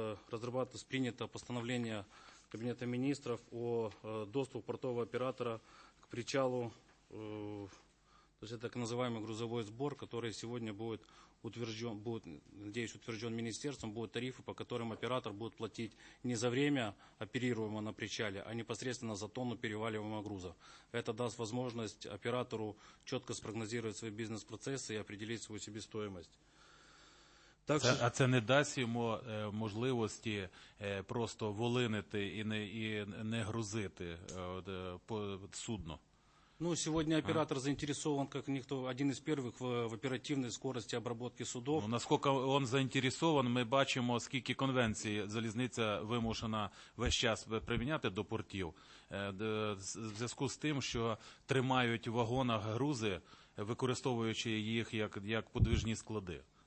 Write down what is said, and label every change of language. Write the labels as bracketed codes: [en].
[ru] Разрабатывается принято постановление Кабинета министров о доступе портового оператора к причалу, то есть это так называемый грузовой сбор, который сегодня будет утвержден министерством, будут тарифы, по которым оператор будет платить не за время оперируемого на причале, а непосредственно за тонну переваливаемого груза. Это даст возможность оператору четко спрогнозировать свои бизнес-процессы и определить свою себестоимость. [uk] Це не дасть йому можливості просто волинити і не грузити судно? [ru] Ну, сегодня оператор заинтересован, как никто, один из первых в оперативной скорости обработки судов. Ну, насколько он заинтересован, [uk] мы бачимо, скільки конвенцій залізниця вимушена весь час приміняти до портів. В зв'язку з тим, що тримають в вагонах грузи, використовуючи їх як подвижні склади.